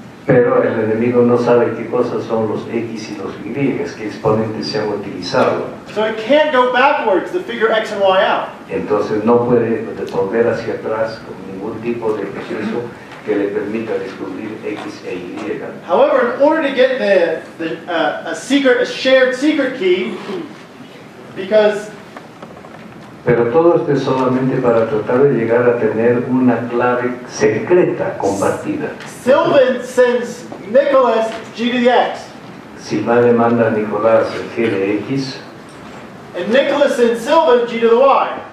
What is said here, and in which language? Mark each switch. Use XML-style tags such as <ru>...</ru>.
<es>Pero el enemigo no sabe qué cosas son los x y los y, qué exponentes se han utilizado.</es> <en>So it can't go backwards to figure x and y out.</en> <es>Entonces no puede volver hacia atrás con ningún tipo de proceso que le permita descubrir x e y.</es> <en>However, in order to get a shared secret key, because.</en> <es>Pero todo esto es solamente para tratar de llegar a tener una clave secreta compartida.</es> <en>Sylvan sends Nicholas g to the x.</en> <es>Sylvan le manda a Nicolás el g de x.</es> <en>And Nicholas sends Sylvan g to the y.</en>